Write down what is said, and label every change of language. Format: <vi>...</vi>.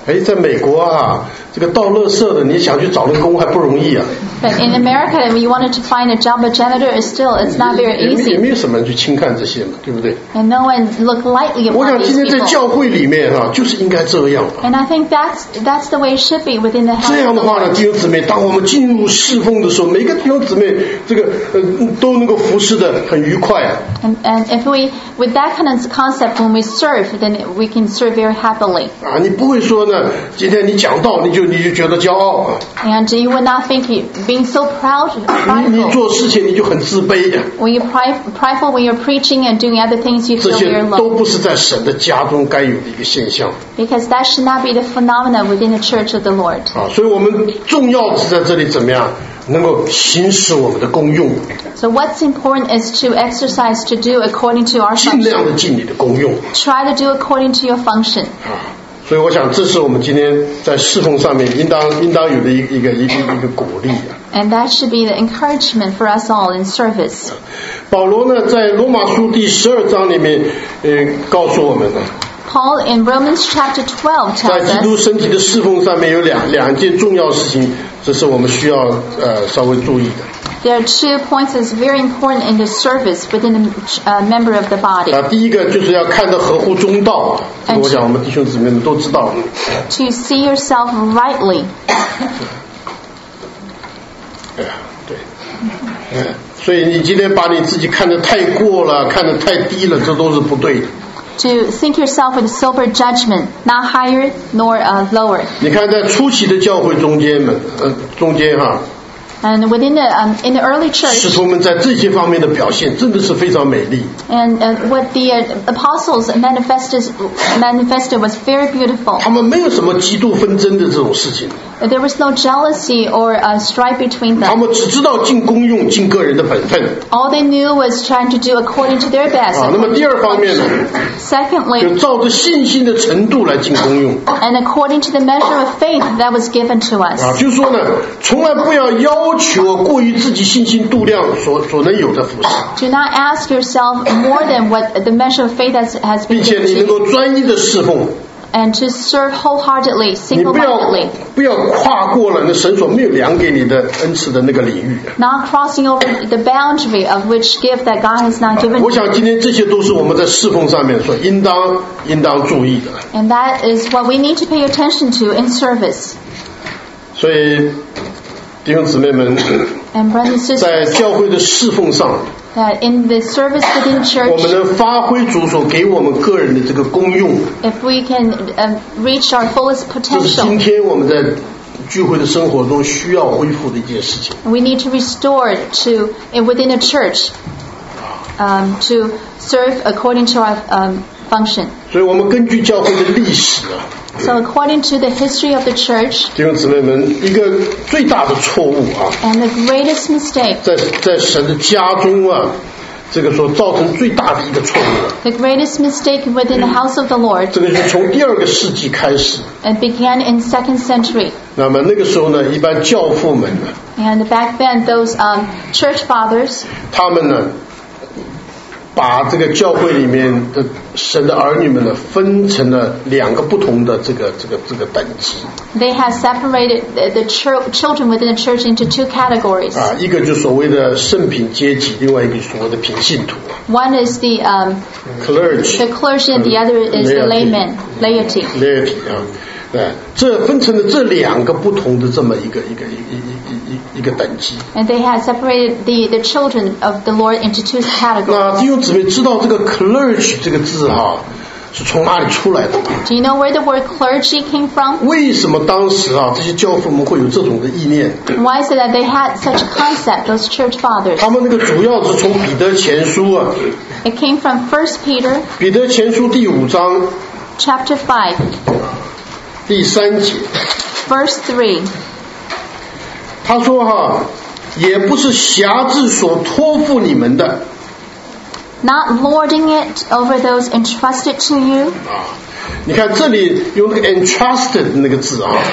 <zh>哎，在美国啊，这个倒垃圾的，你想去找那个工还不容易啊。</zh> <en>But in America, if you wanted to find a job, a janitor is still, it's not very easy.</en> <zh>也没有什么人去轻看这些嘛，对不对？</zh> <en>And no one look lightly upon these people.</en> <zh>我想今天在教会里面啊，就是应该这样吧。</zh> <en>And I think that's the way it should be within the house.</en> <zh>这样的话呢，弟兄姊妹，当我们进入侍奉的时候，每个弟兄姊妹这个都能够服侍的很愉快啊。</zh> <en>And if we with that kind of concept, when we serve, then we can serve very happily.</en> <zh>啊，你不会说呢，今天你讲道你就觉得骄傲。</zh> <en>And you would not think being so proud.</en> <zh>你做事情你就很自卑。</zh> <en>When you prideful when you're preaching and doing other things, you feel very low.</en> <zh>这些都不是在神的家中该有的一个现象。</zh> <en>Because that should not be the phenomenon within the church of the Lord.</en> <zh>啊，所以我们重要是在这里怎么样？能够行使我们的功用。</zh> <en>So what's important is to exercise to do according to our function.</en> <zh>尽量的尽你的功用。</zh> <en>Try to do according to your function.</en> <zh>所以我想，这是我们今天在侍奉上面应当有的一个鼓励啊。</zh> <en>And that should be the encouragement for us all in service.</en> <zh>保罗呢，在罗马书第十二章里面，告诉我们呢。</zh> <en>Paul in Romans chapter 12 tells us.</en> <zh>在基督身体的侍奉上面有两件重要事情。这是我们需要稍微注意的。</zh> <en>There are two points that's very important in the service within a member of the body.</en> <zh>啊，第一个就是要看得合乎中道。我想我们弟兄姊妹们都知道。</zh> <en>To see yourself rightly.</en> <zh>对。所以你今天把你自己看得太过了，看得太低了，这都是不对的。</zh> <en>to think yourself with sober judgment, not higher nor lower.</en> <zh>你看在初期的教会中间嘛，中间哈。</zh> <en>And within the in the early church,</en> <zh>使徒们在这些方面的表现真的是非常美丽。</zh> <en>And what the apostles manifested was very beautiful.</en> <zh>他们没有什么嫉妒纷争的这种事情。</zh> <en>There was no jealousy or a strife between them.</en> <zh>他们只知道尽功用，尽个人的本分。</zh> <en>All they knew was trying to do according to their best.</en> <zh>那么第二方面呢</zh> <en>？Secondly,</en> <zh>就照着信心的程度来尽功用。</zh> <en>And according to the measure of faith that was given to us.</en> <zh>就说呢，从来不要要求过于自己信心度量所能有的服事。</zh> <en>Do not ask yourself more than what the measure of faith has been.</en> <zh>并且你能够专一的侍奉。</zh> <en>And to serve wholeheartedly, single-mindedly.</en> <zh>不要跨过了那神所没有量给你的恩赐的那个领域。</zh> <en>Not crossing over the boundary of which gift that God has not given.</en> <zh>我想今天这些都是我们在侍奉上面所应当注意的。</zh> <en>And that is what we need to pay attention to in service.</en> <zh>所以。弟兄姊妹们</zh> <en>sisters,</en> <zh>在教会的侍奉上</zh> <en>that in the service within church,</en> <zh>我们能发挥主所给我们个人的这个功用</zh> <en>if we can, reach our fullest potential,</en> <zh>这是今天我们在聚会的生活中需要恢复的一件事情</zh> <en>we need to restore to within a church, to serve according to our function</en> <zh>所以我们根据教会的历史</zh> <en>So according to the history of the church,</en> <zh>弟兄姊妹们，一个最大的错误啊</zh> <en>，and the greatest mistake，</en> <zh>在神的家中啊，这个说造成最大的一个错误。</zh> <en>The greatest mistake within the house of the Lord，</en> <zh>这个是从第二个世纪开始。</zh> <en>It began in second century。</en> <zh>那么那个时候呢，一般教父们呢</zh> <en>，and back then those church fathers，</en> <zh>他们呢。把这个教会里面的神的儿女们呢，分成了两个不同的这个等级。</zh> <en>They have separated the children within the church into two categories. 啊，一个就所谓的圣品阶级，另外一个就所谓的平信徒。 One is the clergy. The clergy, and the other is the layman, laity.</en> <zh>Laity 啊，对，这分成了这两个不同的这么一个等级</zh> <en>and they had separated the children of the Lord into two categories</en> <zh>那弟兄姊妹知道这个 clergy 这个字哈是从哪里出来的</zh> <en>do you know where the word clergy came from</en> <zh>为什么当时啊这些教父们会有这种的意念</zh> <en>why is it that they had such a concept those church fathers</en> <zh>他们那个主要是从彼得前书啊</zh> <en>it came from 1 Peter</en> <zh>彼得前书第五章</zh> <en>chapter 5</en> <zh>第三节</zh> <en>verse 3</en> <zh>他说哈，也不是辖制所托付你们的。</zh> <en>Not lording it over those entrusted to you.</en> <zh>你看这里用那个 entrusted 那个字啊。</zh>